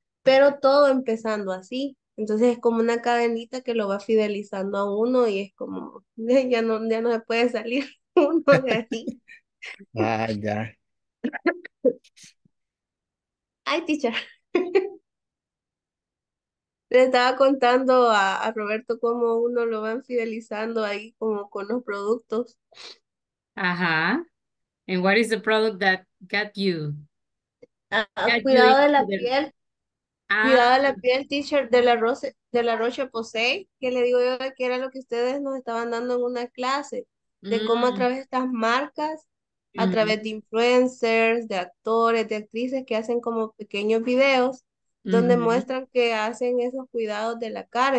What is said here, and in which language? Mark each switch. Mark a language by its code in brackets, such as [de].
[es] Pero todo empezando así. Entonces es como una cadenita que lo va fidelizando a uno y es como, ya no se puede salir uno de aquí. Ah, ya. Ay, teacher. Le estaba contando a Roberto cómo uno lo van fidelizando ahí como con los productos. Ajá. [en] And what is the product that got you? [es] Cuidado you de la piel. Cuidado la piel, teacher, de la Roche-Posay, que le digo yo que era lo que ustedes nos estaban dando en una clase, de cómo a través de estas marcas a través de influencers, de actores, de actrices que hacen como pequeños videos donde muestran que hacen esos cuidados de la cara.